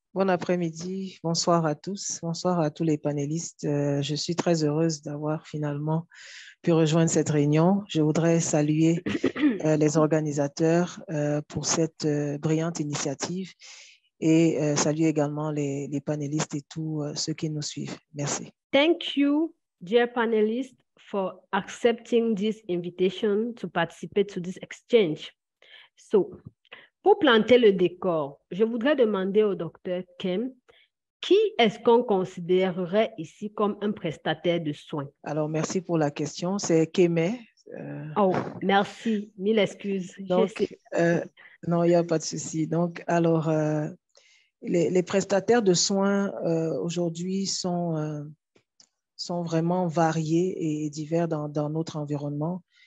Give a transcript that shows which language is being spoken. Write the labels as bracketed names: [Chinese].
[French] Bon après-midi, bonsoir à tous, bonsoir à tous les panélistes. Je suis très heureuse d'avoir finalement pu rejoindre cette réunion. Je voudrais saluer les organisateurs pour cette brillante initiative. Et salue également les panélistes et tous ceux qui nous suivent. Merci. [English] Thank you, dear panelists, for accepting this invitation to participate to this exchange. [French] So, pour planter le décor, je voudrais demander au docteur Kem, qui est-ce qu'on considérerait ici comme un prestataire de soins? Alors, merci pour la question. C'est Kemé. Oh, merci. Mille excuses. Donc, non, il n'y a pas de souci. Donc, alors, Les prestataires de soins aujourd'hui sont vraiment variés et divers dans notre environnement.